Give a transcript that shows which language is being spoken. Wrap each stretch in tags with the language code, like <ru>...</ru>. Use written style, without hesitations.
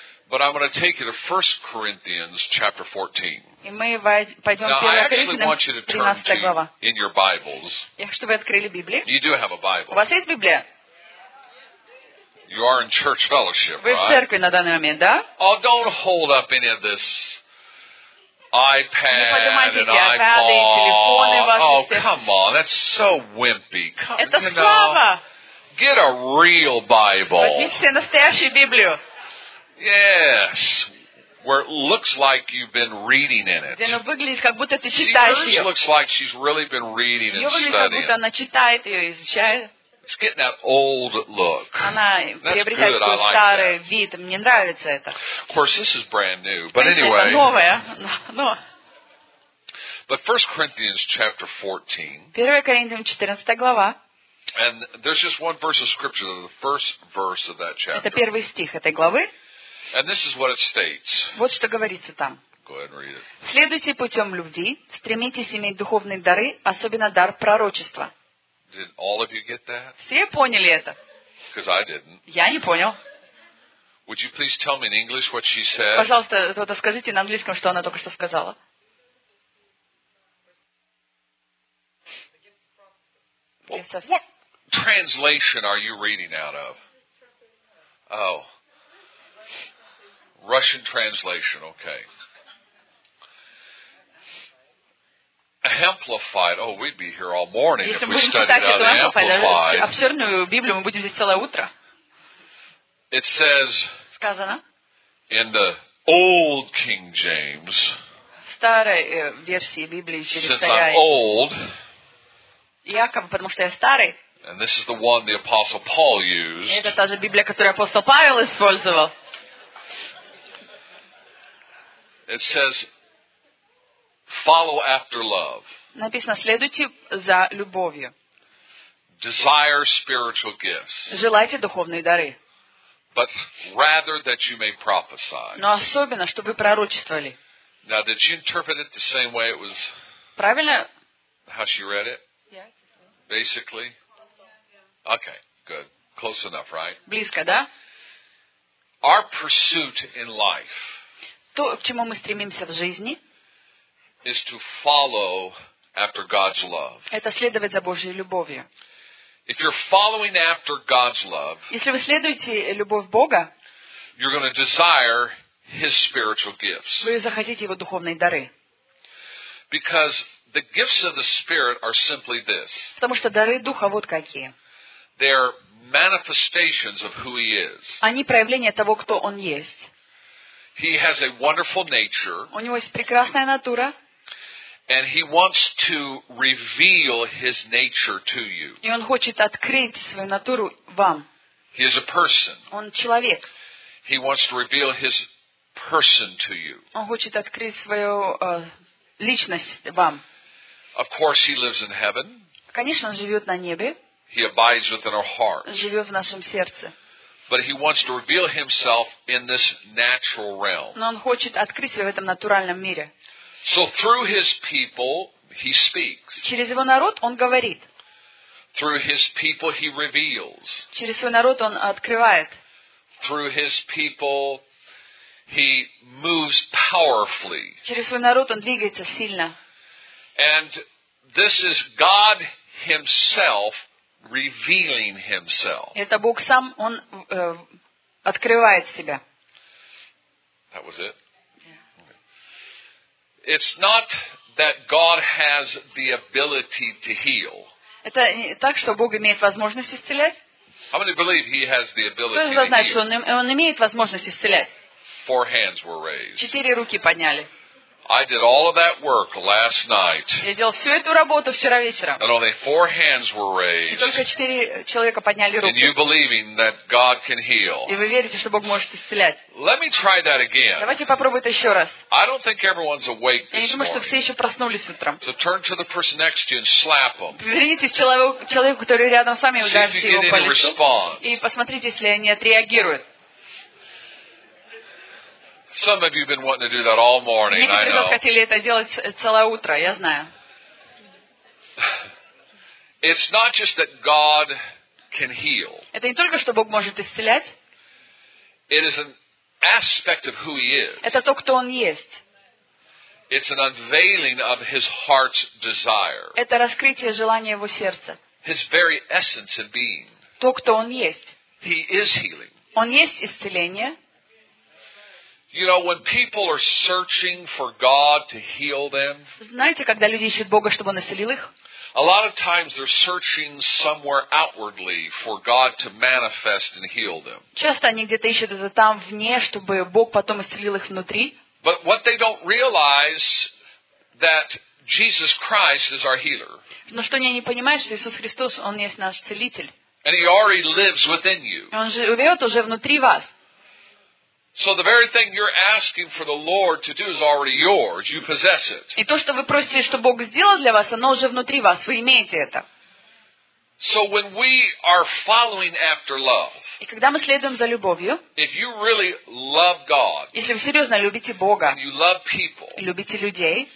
<en>But I'm going to take you to 1 Corinthians chapter 14.</en> <ru>И мы пойдем</ru> <en>Now, I actually want you to turn to in your Bibles.</en> <ru>Я хочу, чтобы вы открыли Библию.</ru> <en>You do have a Bible.</en> <ru>У вас есть Библия?</ru> <en>You are in church fellowship,</en> <ru>вы</ru> <en>right?</en> <ru>Вы в церкви на данный момент, да?</ru> <en>Oh, don't hold up any of this iPad and iPod. Oh, come on. That's so wimpy. Come,</en> <ru>это слава.</ru> <en>Get a real Bible.</en> <ru>Возьмите настоящую Библию.</ru> <en>Yes, where it looks like you've been reading in it.</en> <ru>Она выглядит, как будто ты читаешь ее.</ru> <en>She looks like she's really been reading and studying.</en> <ru>Ее выглядит, как будто она читает ее, изучает.</ru> <en>It's getting that old look.</en> <ru>Она приобретает тот старый вид. Мне нравится это.</ru> <en>Of course, this is brand new, but anyway.</en> <ru>Это новое, но.</ru> <en>But 1 Corinthians chapter 14.</en> <ru>1 Коринфянам 14 глава.</ru> <en>And there's just one verse of scripture, the first verse of that chapter.</en> <ru>Это первый стих этой главы.</ru> <en>And this is what it states.</en> <ru>Вот что говорится там.</ru> <en>Go ahead and read it.</en> <ru>Следуйте путем любви, стремитесь иметь духовные дары, особенно дар пророчества.</ru> <en>Did all of you get that?</en> <ru>Все поняли это?</ru> <en>Because I didn't.</en> <ru>Я не понял.</ru> <en>Would you please tell me in English what she said?</en> <ru>Пожалуйста, кто-то скажите на английском, что она только что сказала.</ru> <en>What translation are you reading out of? Oh. Russian translation, okay. Amplified. Oh, we'd be here all morning if we studied out amplified.</en> <ru>Обширную Библию мы будем здесь целое утро.</ru> <en>It says</en> <ru>сказано</ru> <en>in the old King James.</en> <ru>Старой версии Библии через старая.</ru> <en>Since I'm old.</en> <ru>Якобы, потому что я старый.</ru> <en>And this is the one the Apostle Paul used.</en> <ru>Это та же Библия, которую апостол Павел использовал.</ru> <en>It says, follow after love.</en> <ru>Написано, следуйте за любовью.</ru> <en>Desire spiritual gifts.</en> <ru>Желайте духовные дары.</ru> <en>But rather that you may prophesy.</en> <ru>Но особенно, чтобы пророчествовали.</ru> <en>Now, did you interpret it the same way it was?</en> <ru>Правильно?</ru> <en>How she read it? Yeah. Basically? Okay, good. Close enough, right?</en> <ru>Близко, да?</ru> <en>Our pursuit in life.</en> <ru>То, к чему мы стремимся в жизни,</ru> <en>is to follow after God's love.</en> <ru>Это следовать за Божьей любовью.</ru> <en>If you're following after God's love,</en> <ru>если вы следуете любовь Бога,</ru> <en>you're going to desire His spiritual gifts.</en> <ru>Вы захотите Его духовные дары.</ru> <en>Because the gifts of the Spirit are simply this.</en> <ru>Потому что дары Духа вот какие.</ru> <en>They're manifestations of who He is.</en> <ru>Они проявление того, кто Он есть.</ru> <en>He has a wonderful nature.</en> <ru>У него есть прекрасная натура.</ru> <en>And he wants to reveal his nature to you.</en> <ru>И он хочет открыть свою натуру вам.</ru> <en>He is a person.</en> <ru>Он человек.</ru> <en>He wants to reveal his person to you.</en> <ru>Он хочет открыть свою личность вам.</ru> <en>Of course he lives in heaven.</en> <ru>Конечно, он живет на небе.</ru> <en>He abides within our heart.</en> <ru>Живет в нашем сердце.</ru> <en>But he wants to reveal himself in this natural realm.</en> <ru>Но он хочет открыть себя в этом натуральном мире.</ru> <en>So through his people he speaks.</en> <ru>Через его народ он говорит.</ru> <en>Through his people he reveals.</en> <ru>Через свой народ он открывает.</ru> <en>Through his people he moves powerfully.</en> <ru>Через свой народ он двигается сильно.</ru> <en>And this is God himself revealing himself.</en> <ru>Это Бог сам, он открывает себя.</ru> <en>That was it? Yeah. It's not that God has the ability to heal.</en> <ru>Это так, что Бог имеет возможность исцелять?</ru> <en>How many believe he has the ability to heal?</en> <ru>Кто знает, что он имеет возможность исцелять?</ru> <en>Four hands were raised.</en> <ru>Четыре руки подняли.</ru> <en>I did all of that work last night.</en> <ru>Я делал всю эту работу вчера вечером.</ru> <en>And only four hands were raised.</en> <ru>И только четыре человека подняли руки.</ru> <en>And you believing that God can heal.</en> <ru>И вы верите, что Бог может исцелять.</ru> <en>Let me try that again.</en> <ru>Давайте попробуем это еще раз.</ru> <en>I don't think everyone's awake this morning.</en> <ru>Я думаю, что все еще проснулись утром.</ru> <en>So turn to the person next to you and slap them.</en> <ru>Повернитесь к человеку, который рядом с вами, и ударьте его по лицу. И посмотрите, если они отреагируют.</ru> <en>Some of you have been wanting to do that all morning, I know.</en> <ru>Некоторые хотели это делать целое утро, я знаю.</ru> <en>It's not just that God can heal.</en> <ru>Это не только, что Бог может исцелять.</ru> <en>It is an aspect of who he is.</en> <ru>Это то, кто он есть.</ru> <en>It's an unveiling of his heart's desire.</en> <ru>Это раскрытие желания его сердца.</ru> <en>His very essence of being.</en> <ru>То, кто он есть.</ru> <en>He is healing.</en> <ru>Он есть исцеление.</ru> <en>You know, when people are searching for God to heal them,</en> <ru>знаете, когда люди ищут Бога, чтобы он исцелил их?</ru> <en>A lot of times they're searching somewhere outwardly for God to manifest and heal them.</en> <ru>Часто они где-то ищут это там вне, чтобы Бог потом исцелил их внутри.</ru> <en>But what they don't realize that Jesus Christ is our healer.</en> <ru>Но что они не понимают, что Иисус Христос, он есть наш целитель.</ru> <en>And he already lives within you.</en> <ru>Он живет уже внутри вас.</ru> <en>So the very thing you're asking for the Lord to do is already yours. You possess it.</en> <ru>И то, что вы просите, чтобы Бог сделал для вас, оно уже внутри вас. Вы имеете это.</ru> <en>So when we are following after love.</en> <ru>И когда мы следуем за любовью.</ru> <en>If you really love God.</en> <ru>Если вы серьезно любите Бога.</ru> <en>And you love people.</en> <ru>И любите людей.</ru>